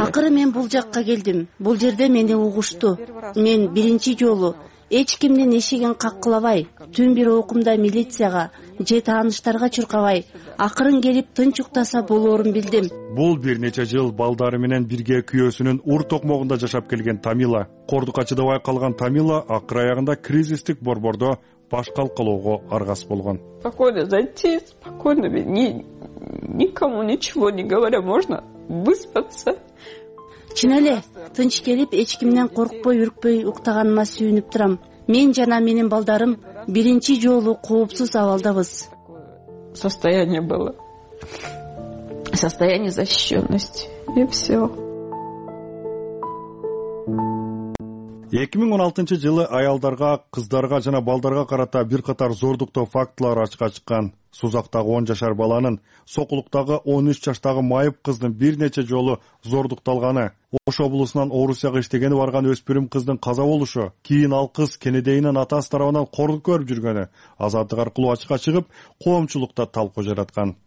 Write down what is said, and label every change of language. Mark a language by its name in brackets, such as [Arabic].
[Kyrgyz] Акыры мен бул жакка келдим. Бул жерде мени угушту. Мен биринчи жолу эч кимдин эшигин каккылабай, түн бир укумда милицияга же тааныштарга чуркабай, акырын келип тынч уктаса болорун билдим. Бул бир нече жыл балдары менен бирге күйөөсүнүн ур токмогунда жашап келген Тамила. Кордукка чыдабай калган Тамила акыр аягында кризистик борбордо башкалкылоого аргас болгон. [Russian] Спокойно зайти, спокойно, никому ничего не говоря, можно выспаться. [Kyrgyz] Чын эле, тынч келип, эч кимден коркпой, үркпөй уктаганыма сүйүнүп турам. Мен жана менин балдарым биринчи жолу коопсуз абалдабыз. [Russian] Состояние было. Состояние защищенности. И все. [Kyrgyz] 2016 жылы аялдарга, кыздарга жана балдарга карата бир катар зордуктоо фактылары ачыкка чыккан. Сузактагы 10 жашар баланын, Сокулуктагы 13 жаштагы майып кыздын бир нече жолу зордукталганы, Ош облусунан Орусияга иштегени барган өспүрүм кыздын каза болушу, кийин ал кыз кенедейинин атасы тарабынан кордук көрүп жүргөнү Азаттык аркылуу ачыкка чыгып, коомчулукта талкуу жараткан.